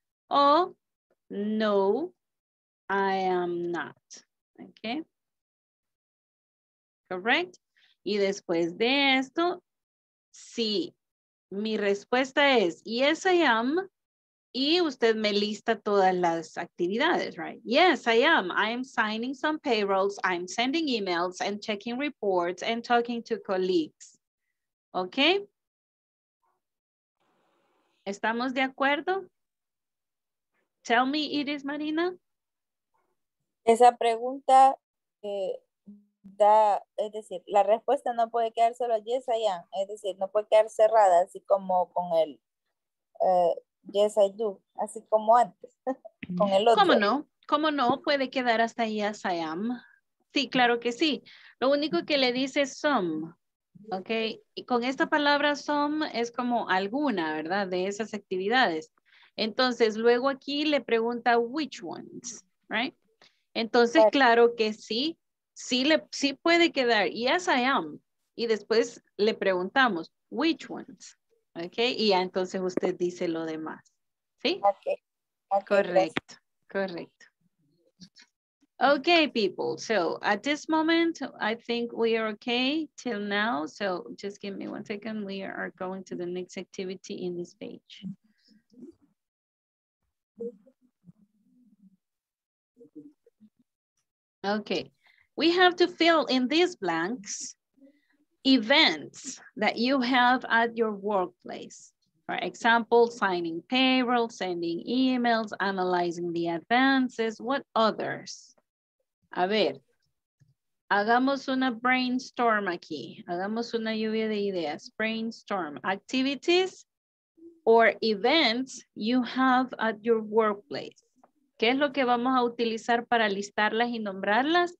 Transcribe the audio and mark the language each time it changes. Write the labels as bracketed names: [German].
[English] O, no, I am not. Okay. Correct. [Spanish] Y después de esto, si mi respuesta es [English] yes, I am, [Spanish] y usted me lista todas las actividades, right? [English] Yes, I am. I am signing some payrolls. I'm sending emails and checking reports and talking to colleagues. Okay. [Spanish] ¿Estamos de acuerdo? [English] Tell me, [Spanish] Iris Marina. Esa pregunta da, es decir, la respuesta no puede quedar solo [English] yes, I am. [Spanish] Es decir, no puede quedar cerrada así como con el [English] yes, I do. [Spanish] Así como antes, con el otro. ¿Cómo no? ¿Cómo no puede quedar hasta [English] yes, I am? [Spanish] Sí, claro que sí. Lo único que le dice es some. Ok, y con esta palabra some es como alguna, ¿verdad? De esas actividades. Entonces, luego aquí le pregunta [English] which ones, right? [Spanish] Entonces, claro que sí, sí, le, sí puede quedar, [English] yes, I am. [Spanish] Y después le preguntamos, [English] which ones, ok? [Spanish] Y ya entonces usted dice lo demás, ¿sí? Ok. Correcto, correcto. [English] Ok, people, so at this moment, I think we are okay till now. So just give me 1 second, we are going to the next activity in this page. Okay, we have to fill in these blanks events that you have at your workplace. For example, signing payroll, sending emails, analyzing the advances, what others? [Spanish] A ver, hagamos una brainstorm aquí. Hagamos una lluvia de ideas. [English] Brainstorm. Activities or events you have at your workplace. [Spanish] ¿Qué es lo que vamos a utilizar para listarlas y nombrarlas?